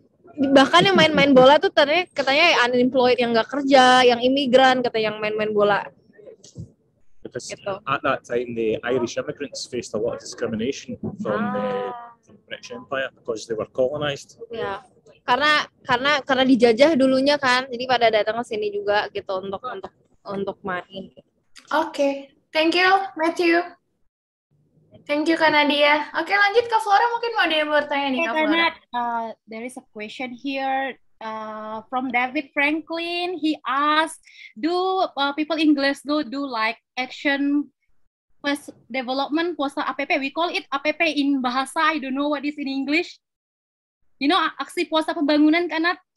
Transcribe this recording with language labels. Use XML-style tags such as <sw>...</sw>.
<id>Bahkan yang main-main bola tuh katanya unemployed, yang nggak kerja, yang imigran, kata yang main-main bola.</id> <en>Because at that time the Irish immigrants faced a lot of discrimination from the British Empire because they were colonized.</en> <id>Karena dijajah dulunya kan, jadi pada datang ke sini juga gitu untuk main.</id> <en>Okay, thank you, Matthew. Thank you, Kanadia. Okay,</en> <id>lanjut ke Flora. Mungkin mau ada yang bertanya nih, Kak Flora.</id> <en>There is a question here from David Franklin. He asked, do people in Glasgow do like action plus development plus APP? We call it APP in bahasa. I don't know what is in English. You know,</en> <id>aksi puasa pembangunan,</id> <en>Kanat?</en>